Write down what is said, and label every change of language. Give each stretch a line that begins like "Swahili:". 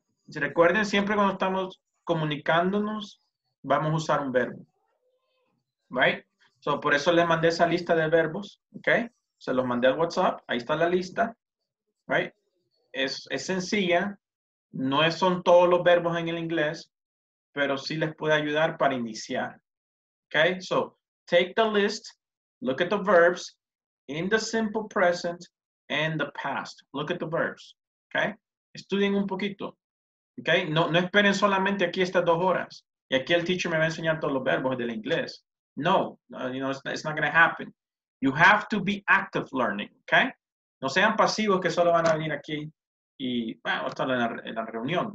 Spanish: Si recuerden, siempre cuando estamos comunicándonos, vamos a usar un verbo. Right? So, por eso les mandé esa lista de verbos. Okay? Se los mandé al WhatsApp. Ahí está la lista. Right? Es sencilla. No son todos los verbos en el inglés, pero sí les puede ayudar para iniciar.
English: Okay? So, take the list, look at the verbs in the simple present and the past. Look at the verbs. Okay?
Spanish: Estudien un poquito.
English: Okay?
Spanish: No esperen solamente aquí estas dos horas. Y aquí el teacher me va a enseñar todos los verbos del inglés.
English: No, you know, it's not going to happen. You have to be active learning, okay?
Spanish: No sean pasivos que solo van a venir aquí y, bueno, estar en la reunión.